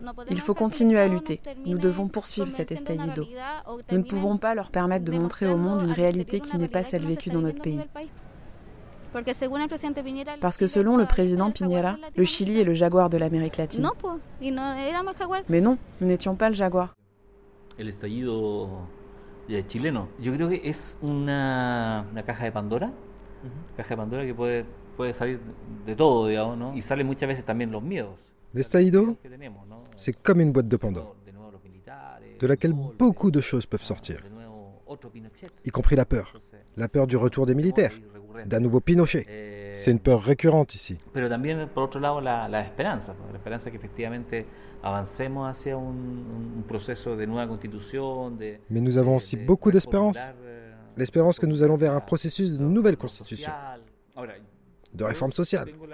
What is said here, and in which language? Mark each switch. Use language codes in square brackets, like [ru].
[fr] Il faut continuer à lutter. Nous devons poursuivre cet estallido. Nous ne pouvons pas leur permettre de montrer au monde une réalité qui n'est pas celle vécue dans notre pays. Parce que selon le président Piñera, le Chili est le jaguar de l'Amérique latine. Mais non, nous n'étions pas le jaguar. [es] El estallido chileno, yo creo que es una caja de Pandora, caja de Pandora que puede salir de todo, digamos, ¿no? Y sale muchas veces también los miedos. [fr] L'estallido, c'est comme une boîte de Pandore, de laquelle beaucoup de choses peuvent sortir, y compris la peur du retour des militaires. D'un nouveau Pinochet. C'est une peur récurrente ici. [es] Pero también por otro lado la esperanza, la esperanza que efectivamente avancemos hacia un proceso de nueva constitución. [fr] Mais nous avons aussi beaucoup d'espérance, l'espérance que nous allons vers un processus de nouvelle constitution, de réforme sociale.